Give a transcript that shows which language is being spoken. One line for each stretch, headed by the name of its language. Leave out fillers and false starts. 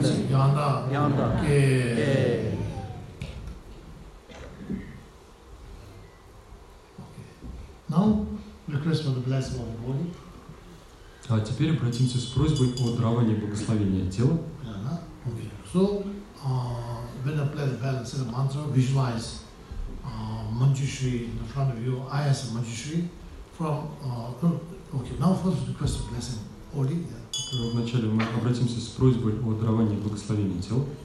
English: Янда, Ге. Now? Request for the blessing of the body.
Russian: А теперь обратимся с просьбой о даровании благословения тела.
English: So, when I play the bell and say the mantra, visualize Manjushri in front of you, I as a Manjushri, from... Okay, now first request for blessing body. Yeah.
Russian: Вначале мы обратимся с просьбой о даровании благословения тела.